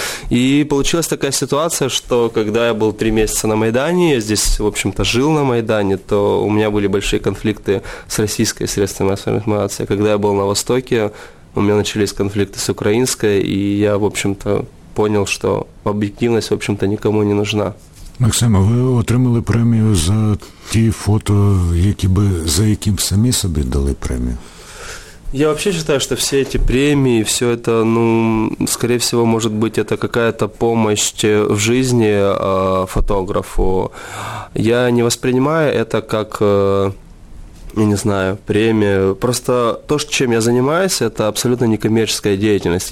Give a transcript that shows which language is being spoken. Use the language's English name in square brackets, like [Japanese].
[Russian] И получилась такая ситуация, что когда я был 3 месяца на Майдане, я здесь, в общем-то, жил на Майдане, то у меня были большие конфликты с российской средствами массовой информации. Когда я был на Востоке, у меня начались конфликты с украинской, и я, в общем-то, понял, что объективность, в общем-то, никому не нужна. [Ukrainian] Максима, ви отримали премію за ті фото, які би за яким самі собі дали премію? [Russian] Я вообще считаю, что все эти премии, все это, ну, скорее всего, может быть, это какая-то помощь в жизни фотографу. Я не воспринимаю это как, я не знаю, премию. Просто то, чем я занимаюсь, это абсолютно некоммерческая деятельность.